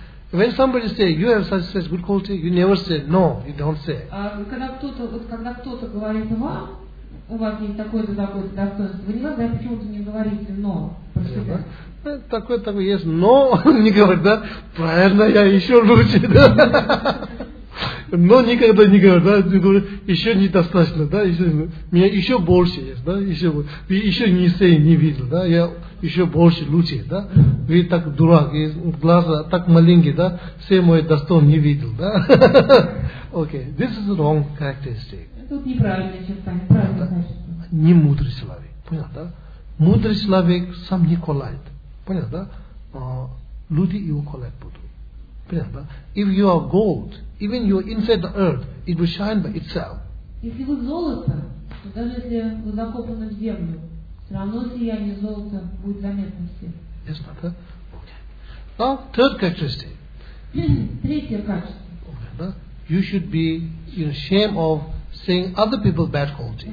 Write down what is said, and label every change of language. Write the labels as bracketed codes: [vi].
[en] When somebody say you have such a good quality, you never say no. You don't say. [ru] Когда кто-то говорит вам, у вас есть такое-то такое-то достоинство, вы не надо почему-то не говорите но. Такое-такое есть, но он не говорит, да? Правильно, я еще лучше, да? Но никогда не говорю, да, говорю, еще недостаточно, да, еще, у меня еще больше есть, да, еще не сей, не видел, да, я еще больше, лучше, да, вы так дурак, и глаза так маленькие, да, все мои достоинства не видел, да. [en] Окей, okay. This is wrong characteristic. [ru] Тут неправильная черта, неправильная качество. Не мудрый человек, понял, да? Мудрый человек сам не колает, понял, да? Люди его колать будут. Понятно, да? [en] If you are gold, even you are inside the earth, it will shine by itself. [ru] Если вы золото, то даже если вы закопаны в землю, все равно сияние золота будет заметно всем. [en] Yes, not that? Okay. Now, third characteristic. [ru] Третье качество. [en] Okay, да? You should be in shame of seeing other people bad quality.